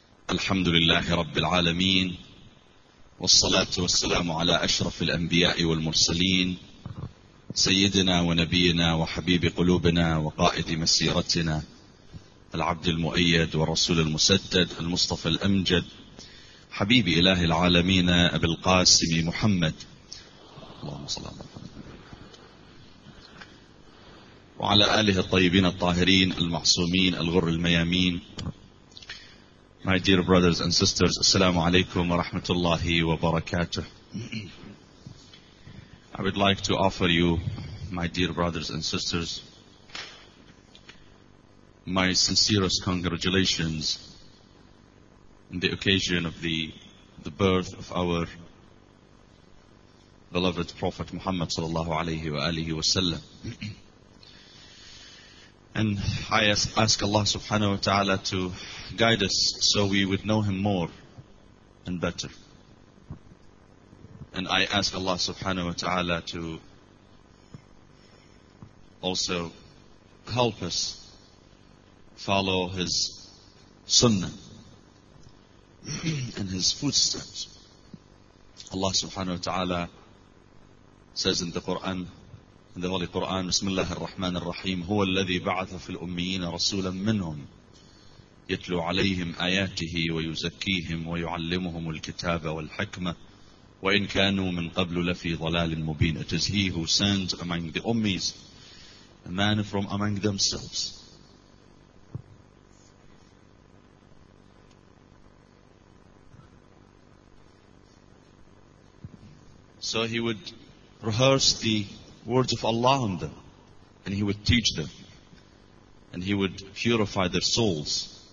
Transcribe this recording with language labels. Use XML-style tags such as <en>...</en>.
<ar>الحمد لله رب العالمين، والصلاة والسلام على أشرف الأنبياء والمرسلين، سيدنا ونبينا وحبيب قلوبنا وقائد مسيرتنا، العبد المؤيد والرسول المسدد المصطفى الأمجد، حبيب إله العالمين أبي القاسم محمد، اللهم صل على محمد، وعلى آله الطيبين الطاهرين المعصومين الغر الميامين.</ar> <en>My dear brothers and sisters,</en> <ar>السلام عليكم ورحمة الله وبركاته.</ar> <en>I would like to offer you, my dear brothers and sisters, my sincerest congratulations on the occasion of the birth of our beloved Prophet Muhammad sallallahu alayhi wa alihi wa sallam. And I ask Allah subhanahu wa ta'ala to guide us so we would know Him more and better. And I ask Allah subhanahu wa ta'ala to also help us follow His sunnah and His footsteps. Allah subhanahu wa ta'ala says in the Quran, in the Holy Quran,</en> <ar>بسم الله الرحمن الرحيم هو الذي بعث في الأميين رسولا منهم يتلو عليهم آياته ويزكيهم ويعلمهم الكتاب والحكمة وإن كانوا من قبل لفي ضلال مبين.</ar> <en>It is He who sent among the Ummis a man from among themselves so He would rehearse the words of Allah on them, and He would teach them, and He would purify their souls.</en>